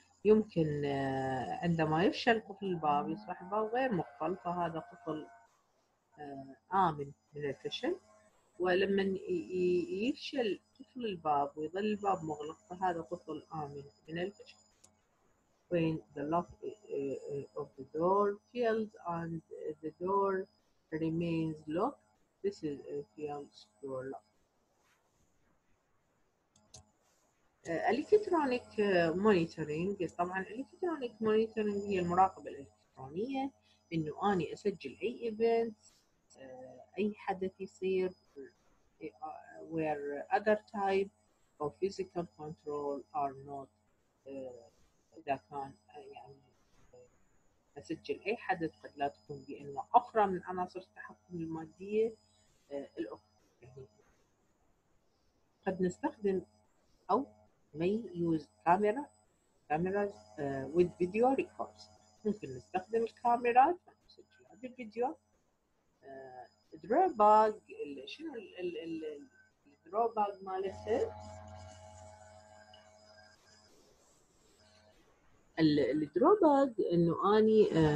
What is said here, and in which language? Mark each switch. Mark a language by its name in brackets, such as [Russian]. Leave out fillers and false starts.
[Arabic] يمكن عندما يفشل قفل الباب يصبح الباب غير مقفل، فهذا قفل آمن من الفشل، ولما يفشل قفل الباب ويظل الباب مغلق فهذا قفل آمن من الفشل. [English] When the lock of the door fails and the door remains locked, this is a failed secure lock. Electronic monitoring. [Arabic] طبعا electronic monitoring هي المراقبة الإلكترونية، إنه أنا أسجل أي event، أي حدث يصير، [English] where other type of physical control are not. [Arabic] إذا كان يعني أسجل أي حدث قد لا تكون بأنواع أخرى من عناصر التحكم المادية الأخرى، يعني قد نستخدم أو [English] may use cameras with video records. [Arabic] ممكن نستخدم الكاميرات نسجل هذا الفيديو. drawback شنو ال drawback مالته؟ الدروباج انه اني